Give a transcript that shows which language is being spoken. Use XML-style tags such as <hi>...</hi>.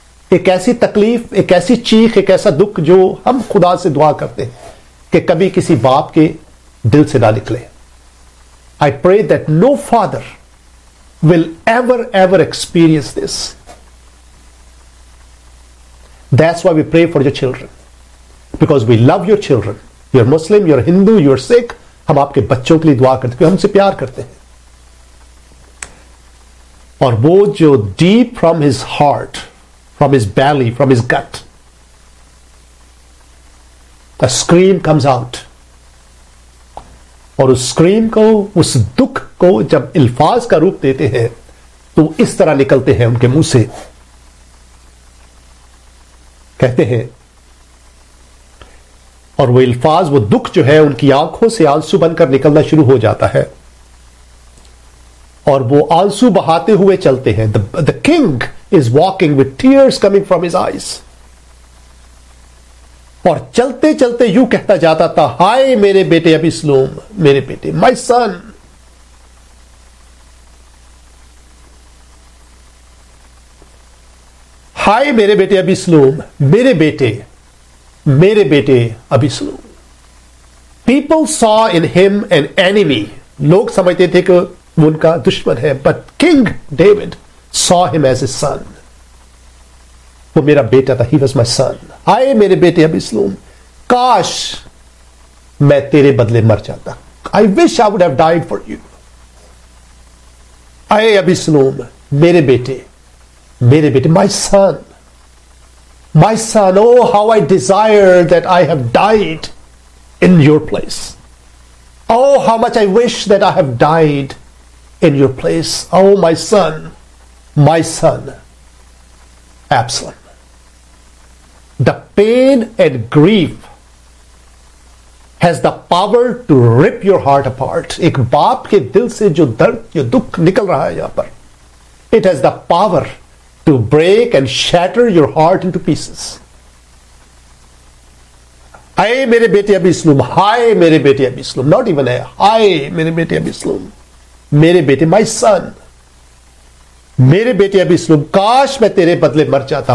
<ur>ایک ایسی تکلیف، ایک ایسی چیخ، ایک ایسا دکھ جو ہم خدا سے دعا کرتے ہیں کہ کبھی کسی باپ کے دل سے نہ نکلے.</ur> <en>I pray that no father will ever experience this. That's why we pray for your children. Because we love your children. You're Muslim, you're Hindu, you're Sikh.</en> <ur>ہم آپ کے بچوں کے لیے دعا کرتے ہیں کہ ہم سے پیار کرتے ہیں. اور وہ جو</ur> <en>deep from his heart, from his belly, from his gut, a scream comes out.</en> <ur>اور اس scream کو، اس دکھ کو جب الفاظ کا روپ دیتے ہیں تو اس طرح نکلتے ہیں ان کے منہ سے، کہتے ہیں، اور وہ الفاظ، وہ دکھ جو ہے ان کی آنکھوں سے آنسو بن کر نکلنا شروع ہو جاتا ہے. اور وہ آنسو بہاتے ہوئے چلتے ہیں.</ur> <en>The king is walking with tears coming from his eyes.</en> <ur>اور چلتے چلتے یوں کہتا جاتا تھا ہائے میرے بیٹے ابی سلوم، میرے بیٹے،</ur> <en>my son.</en> <ur>ہائے میرے بیٹے ابی سلوم، میرے بیٹے، میرے بیٹے ابھی سنو.</ur> <en>people saw in him an enemy,</en> <ur>لوگ سمجھتے تھے کہ وہ ان کا دشمن ہے,</ur> <en>but King David saw him as a son,</en> <ur>وہ میرا بیٹا تھا,</ur> <en>He was my son.</en> <ur>آئے میرے بیٹے ابھی سنو, کاش میں تیرے بدلے مر جاتا,</ur> <en>I wish I would have died for you.</en> <ur>آئے ابھی سنو میرے بیٹے, میرے بیٹے,</ur> <en>My son, my son, oh how I desire that I have died in your place, oh how much I wish that I have died in your place, oh my son, my son Absalom. The pain and grief has the power to rip your heart apart.</en> <ur>ایک باپ کے دل سے جو درد, جو دکھ نکل رہا ہے یہاں پر,</ur> <en>it has the power to break and shatter your heart into pieces.</en> <ur>آئے میرے بیٹے ابھی اسلوم, ہائے میرے بیٹے ابھی اسلوم, ناٹ ایون ہے, ہائے میرے بیٹے ابھی اسلوم, میرے بیٹے,</ur> <en>my son,</en> <ur>میرے بیٹے ابھی اسلوم, کاش میں تیرے بدلے مر جاتا.</ur>